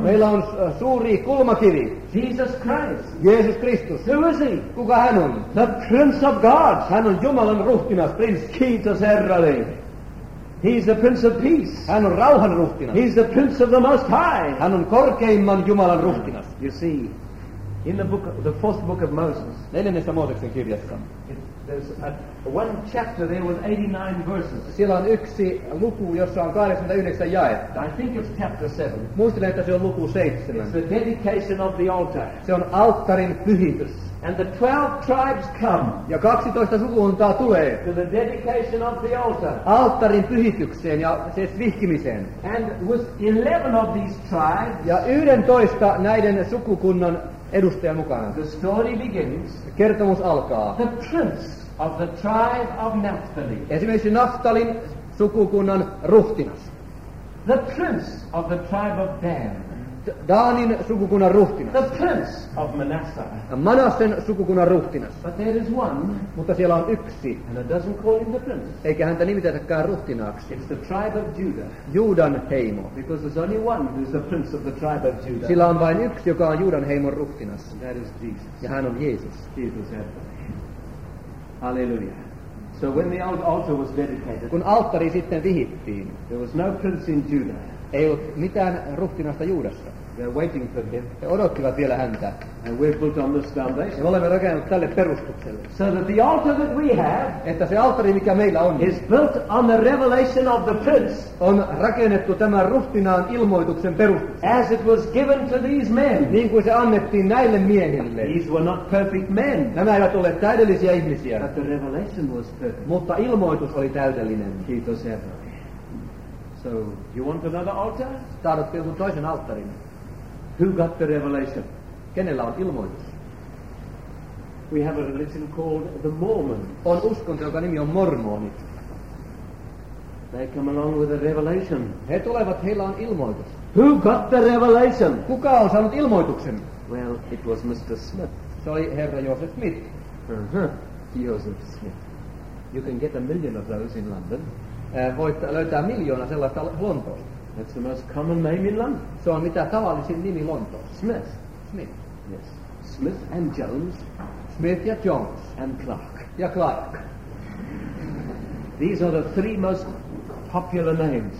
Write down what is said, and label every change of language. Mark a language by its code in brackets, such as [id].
[fi] Meillä on suuri kulmakivi. [en] Jesus Christ. [fi] Jeesus Kristus. [en] Who is he? [fi] Kuka hän on? [en] The prince of God. [fi] Hän on Jumalan ruhtinas, prinssi. Kiitos Herralle. [en] He's the prince of peace. [fi] Hän on rauhan ruhtinas. [en] He's the prince of the most high. [fi] Hän on korkeimman Jumalan ruhtinas. [en] You see, in the book, the fourth book of Moses. [fi] Neljännessä Mooseksen kirjassa. [en] There's one chapter there with 89 verses. [fi] Siellä on yksi luku, jossa on 89 jaetta. [en] I think it's chapter 7. [fi] Muistelen, että se on luku 7. [en] It's the dedication of the altar. [fi] Se on alttarin pyhitys. [en] And the 12 tribes come. [fi] Ja 12 sukukuntaa tulee. [en] To the dedication of the altar. [fi] Alttarin pyhitykseen ja sen vihkimiseen. [en] And with 11 of these tribes. [fi] Ja 11 näiden sukukunnan edustajan mukana. [en] The story begins. [fi] Kertomus alkaa. [en] The prince of the tribe of Naphtali. [fi] Esimerkiksi Naftalin sukukunnan ruhtinas. [en] The prince of the tribe of Dan. [fi] Daanin sukukunnan ruhtinas. [en] The prince of Manasseh. [fi] Manassen sukukunnan ruhtinas. [en] But there is one. [fi] Mutta siellä on yksi. [en] And it doesn't call him the prince. [fi] Eikä häntä nimitetäkään ruhtinaaksi. [en] It's the tribe of Judah. [fi] Juudan heimo. [en] Because there's only one who is the prince of the tribe of Judah. [fi] Sillä on vain yksi, joka on Juudan heimon ruhtinas. [en] And that is Jesus. [fi] Ja hän on Jeesus. [en] Jesus Hallelujah. So when the altar was dedicated. [fi] Kun alttari sitten vihittiin. [en] There was no prince in Judah. [fi] Ei ollut mitään ruhtinasta Juudassa. [en] They're waiting for him. [fi] He odottivat vielä häntä. [en] And we've built on this foundation. [fi] Me olemme rakennut tälle perustukselle. [en] So that the altar that we have, [fi] että se alttari mikä meillä on, [en] is built on the revelation of the prince. [fi] On rakennettu tämän ruhtinaan ilmoituksen perustukselle. [en] As it was given to these men. [fi] Niin kuin se annettiin näille miehille. [en] These were not perfect men. [fi] Nämä eivät olleet täydellisiä ihmisiä. [en] But the revelation was perfect. [fi] Mutta ilmoitus oli täydellinen. Kiitos Herra. [en] So, you want another altar? [fi] Tarvitsi jonkun toisen alttarin. [en] Who got the revelation? [fi] Kenellä on ilmoitus? [en] We have a religion called the Mormon. [fi] On uskonto, joka nimi on mormonit. [en] They come along with a revelation. [fi] He tulevat, heillä on ilmoitus. [en] Who got the revelation? [fi] Kuka on saanut ilmoituksen? [en] Well, it was Mr. Smith. [fi] Se oli herra Joseph Smith. [en] Joseph Smith. You can get a million of those in London. [fi] Voit löytää miljoona sellaista Lontoosta. [en] That's the most common name in London. [fi] Se on mitä tavallisin nimi Lontoossa. [en] Smith. Smith. Yes. Smith and Jones. [fi] Smith ja Jones. [en] And Clark. [fi] Ja Clark. [en] These are the three most popular names.